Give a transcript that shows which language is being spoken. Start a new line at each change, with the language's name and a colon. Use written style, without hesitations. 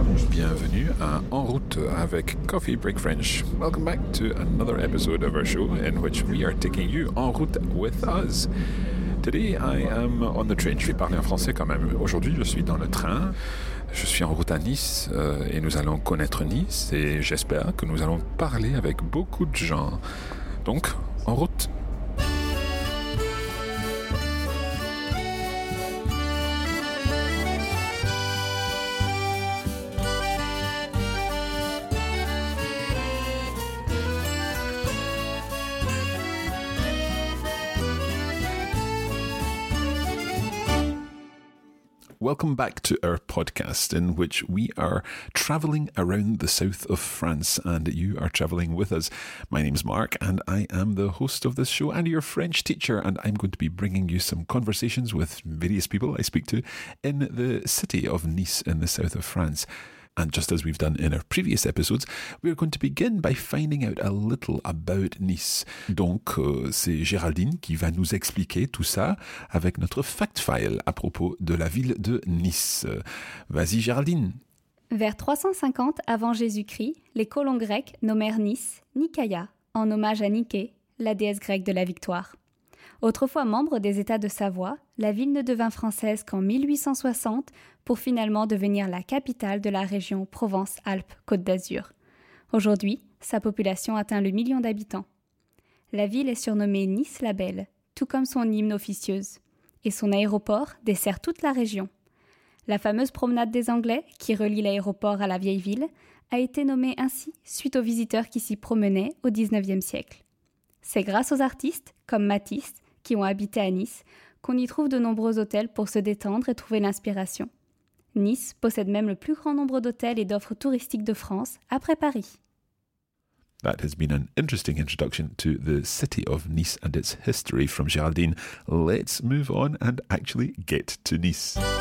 French: Bienvenue à En Route avec Coffee Break French.
English: Welcome back to another episode of our show in which we are taking you en route with us. Today I am on the train.
French: Je vais parler en français quand même. Aujourd'hui je suis dans le train. Je suis en route à Nice et nous allons connaître Nice et j'espère que nous allons parler avec beaucoup de gens. Donc, en route.
English: Welcome back to our podcast in which we are traveling around the south of France and you are traveling with us. My name is Mark and I am the host of this show and your French teacher, and I'm going to be bringing you some conversations with various people I speak to in the city of Nice in the south of France. And just as we've done in our previous episodes, we are going to begin by finding out a little about Nice.
French: Donc, c'est Géraldine qui va nous expliquer tout ça avec notre
English: fact file
French: à propos de la ville de Nice. Vas-y, Géraldine. Vers 350 avant Jésus-Christ, les colons grecs nommèrent Nice Nikaia, en hommage à Niké, la déesse grecque de la victoire. Autrefois membre des États de Savoie, la ville ne devint française qu'en 1860 pour finalement devenir la capitale de la région Provence-Alpes-Côte d'Azur. Aujourd'hui, sa population atteint le million d'habitants. La ville est surnommée Nice la Belle, tout comme son hymne officieuse. Et son aéroport dessert toute la région. La fameuse promenade des Anglais, qui relie l'aéroport à la vieille ville, a été nommée ainsi suite aux visiteurs qui s'y promenaient au XIXe siècle. C'est grâce aux artistes, comme Matisse, qui ont habité à Nice, qu'on y trouve de nombreux hôtels pour se détendre et trouver l'inspiration. Nice possède même le plus grand nombre d'hôtels et d'offres touristiques de France, après Paris.
English: That has been an interesting introduction to the city of Nice and its history from Géraldine. Let's move on and actually get to Nice.